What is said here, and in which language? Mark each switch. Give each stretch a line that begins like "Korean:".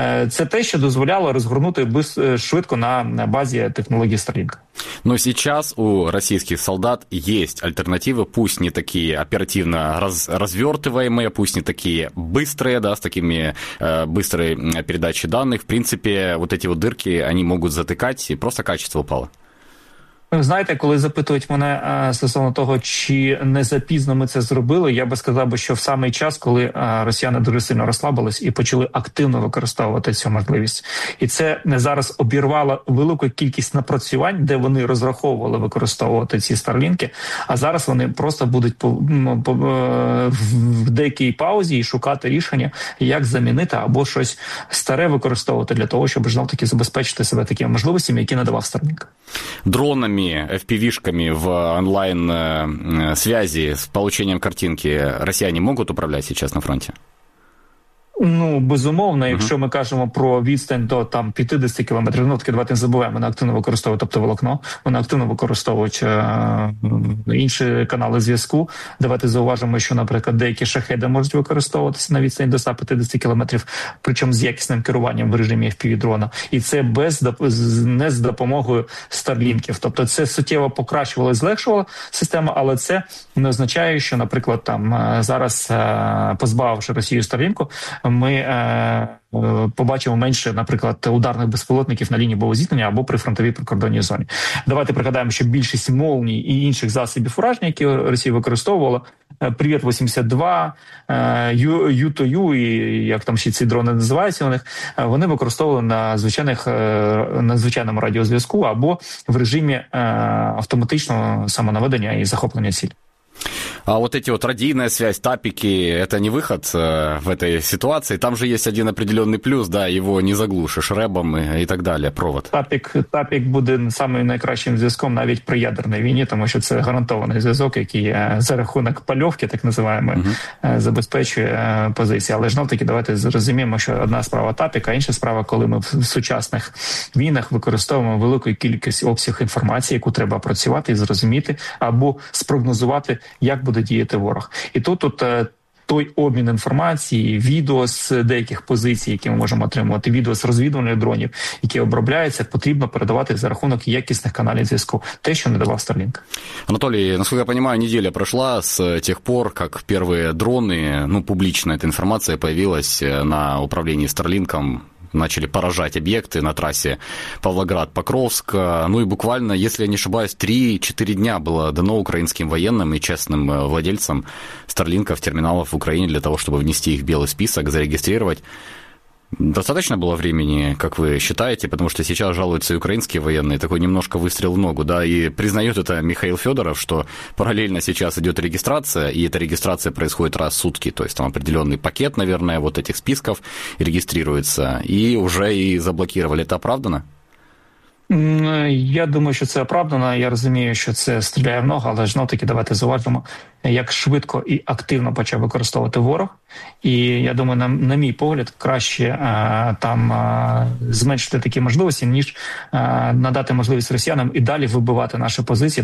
Ukrainian: Це те, що дозволяло розгорнути швидко на базі технології Starlink.
Russian: Но сейчас у российских солдат есть альтернативы, пусть не такие оперативно развертываемые, пусть не такие быстрые, да, с такими быстрой передачей данных. В принципе, вот эти вот дырки, они могут затыкать, и просто качество упало.
Ukrainian: Ви знаєте, коли запитують мене стосовно того, чи не запізно ми це зробили, я би сказав, що в самий час, коли росіяни дуже сильно розслабились і почали активно використовувати цю можливість. І це не зараз обірвало велику кількість напрацювань, де вони розраховували використовувати ці старлінки, а зараз вони просто будуть в деякій паузі і шукати рішення, як замінити або щось старе використовувати для того, щоб знов-таки забезпечити себе такими можливостями, які надавав Starlink.
Russian: Дрони FPV-шками в онлайн-связи с получением картинки россияне могут управлять сейчас на фронте?
Ukrainian: Ну, безумовно, якщо ми кажемо про відстань до там 50 кілометрів, ну, таки давайте не забуваємо, вони активно використовують оптоволокно, вони активно використовують інші канали зв'язку. Давайте зауважимо, що, наприклад, деякі шахеди можуть використовуватися на відстані до 150 кілометрів, причому з якісним керуванням в режимі FPV-дрона. І це без не з допомогою старлінків. Тобто це суттєво покращувало і злегшувало систему, але це не означає, що, наприклад, там зараз, позбавивши Росію старлінку, ми побачимо менше, наприклад, ударних безпілотників на лінії бойового зіткнення або при фронтовій прикордонній зоні. Давайте пригадаємо, що більшість молній і інших засобів ураження, які Росія використовувала, Привіт-82, U2U, і як там ще ці дрони називаються у них, вони використовували на звичайному радіозв'язку або в режимі автоматичного самонаведення і захоплення цілі.
Russian: А вот эти вот радійна связь, тапики, это не выход в этой ситуации. Там же есть один определенный плюс, да, его не заглушишь ребом и так далее, провод.
Ukrainian: Тапик буде самим найкращим зв'язком навіть при ядерній війні, тому що це гарантований зв'язок, який за рахунок пальовки, так називаємо, забезпечує позиції. Але знов-таки давайте зрозуміємо, що одна справа тапік, а інша справа, коли ми в сучасних війнах використовуємо велику кількість обсяг інформації, яку треба опрацювати і зрозуміти або спрогнозувати, як буде діяти ворог. І тут той обмін інформації, відео з деяких позицій, які ми можемо отримувати, відео з розвідувальних дронів, які обробляються, потрібно передавати за рахунок якісних каналів зв'язку. Те, що не давав Starlink. Анатолій, наскільки я розумію, неділя пройшла з тих пор, як перші дрони, публічна ця інформація з'явилася на управлінні Starlink.
Russian: начали поражать объекты на трассе Павлоград-Покровск. Ну и буквально, если я не ошибаюсь, 3-4 дня было дано украинским военным и честным владельцам Starlink'ов, терминалов в Украине для того, чтобы внести их в белый список, зарегистрировать. Достаточно было времени, как вы считаете, потому что сейчас жалуются и украинские военные, такой немножко выстрел в ногу, да, и признает это Михаил Федоров, что параллельно сейчас идет регистрация, и эта регистрация происходит раз в сутки, то есть там определенный пакет, наверное, вот этих списков регистрируется, и уже и заблокировали. Это оправдано?
Ukrainian: Я думаю, що це оправдано. Я розумію, що це стріляє в ногу, але знов-таки давайте зуважимо, як швидко і активно почав використовувати ворог. І я думаю, на мій погляд, краще там зменшити такі можливості, ніж надати можливість росіянам і далі вибивати наші позиції.